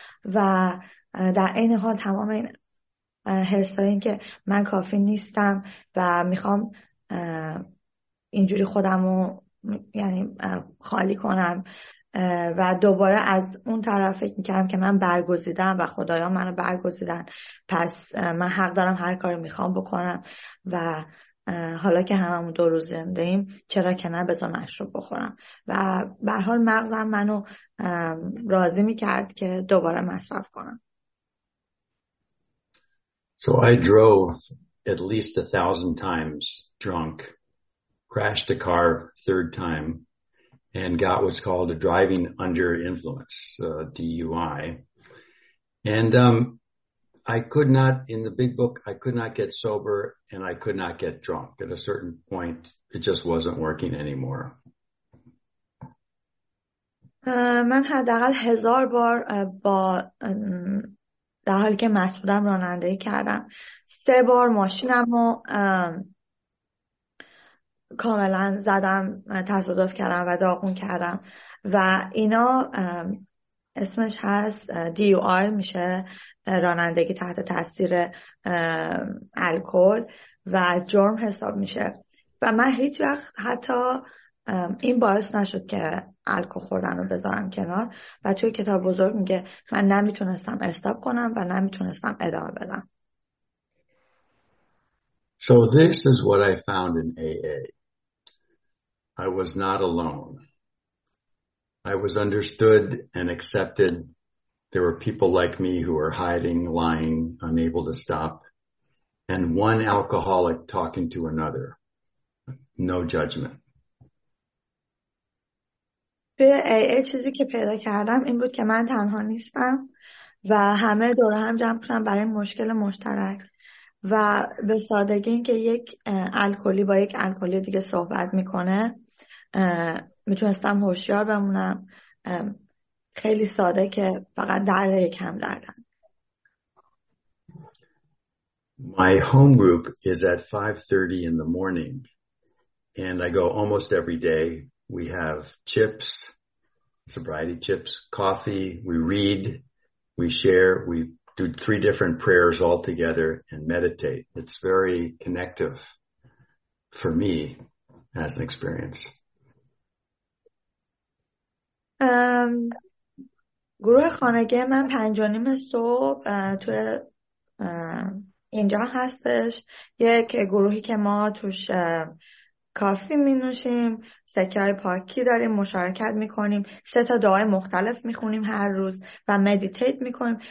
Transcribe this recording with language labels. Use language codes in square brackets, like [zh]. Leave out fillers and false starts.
[fa] و در این حال تمام این حسایی که من کافی نیستم و میخوام اینجوری خودمو یعنی خالی کنم و دوباره از اون طرف فکر میکردم که من برگزیدم و خدایان منو برگزیدن، پس من حق دارم هر کاری میخوام بکنم و حالا که هممون 2 روز زنده ایم چرا که نه بذار مشروب بخورم. و به هر حال مغزم منو راضی میکرد که دوباره مصرف کنم. [en] So I drove at least 1,000 times drunk, crashed a car 3rd time, and got what's called a driving under influence, DUI. And I could not, in the big book, I could not get sober and I could not get drunk. At a certain point, it just wasn't working anymore. [fa] من حداقل 1,000 بار با در حالی که مسئولم رانندگی کردم، 3 بار ماشینم رو کاملا زدم، تصادف کردم و داغون کردم. و اینا اسمش هست DUI، میشه رانندگی تحت تاثیر الکل و جرم حساب میشه. و من هیچ وقت حتی این باعث نشد که الکل خوردن رو بذارم کنار. و توی کتاب بزرگ میگه من نمیتونستم استاپ کنم و نمیتونستم ادامه بدم. [en] So this is what I found in AA. I was not alone. I was understood and accepted. There were people like me who were hiding, lying, unable to stop. And one alcoholic talking to another. No judgment. [fa] به AA چیزی که پیدا کردم این بود که من تنها نیستم و همه دور هم جمع شدن برای مشکل مشترک و به سادگی اینکه یک الکلی با یک الکلی دیگه صحبت میکنه میتونستم هوشیار بمونم. خیلی ساده که فقط درد یکم دردم. [en] My home group is at 5:30 in the morning and I go almost every day. We have chips, sobriety chips, coffee, we read, we share, we do three different prayers all together and meditate. It's very connective for me as an experience. [fa] گروه خانگی من 5:30 صبح تو اینجا هستش. یک گروهی که ما توش کافی می نوشیم، سکه پاکی داریم، مشارکت می کنیم، 3 دعای مختلف می خونیم هر روز و مدیتیت می کنیم.